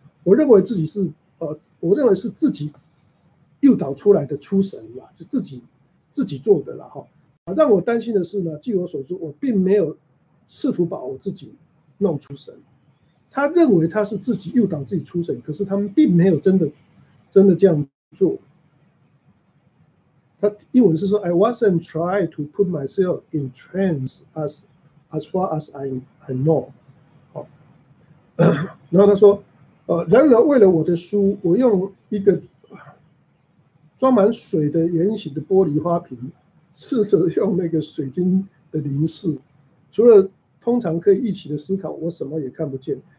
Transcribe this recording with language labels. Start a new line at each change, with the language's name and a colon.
Chinese: 我认为是自己诱导出来的出神啦，就自己做的啦哈。让我担心的是呢，据我所知，我并没有试图把我自己弄出神。他认为他是自己诱导自己出神，可是他们并没有真的这样做。他英文是说
English: ，I wasn't trying to put myself in trance as far as I know。
Chinese: 然后他说。然而为了我的书，我用一个装满水的圆形的玻璃花瓶试着用那个水晶的凝视，除了通常可以一起的思考，我什么也看不见。